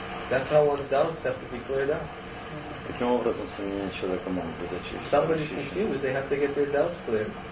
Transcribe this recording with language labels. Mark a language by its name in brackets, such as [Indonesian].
[English] That's how one's doubts have to be cleared up. [Russian] Таким образом, сомнения человека могут быть очищены. [English] Somebody's confused, they have to get their doubts cleared.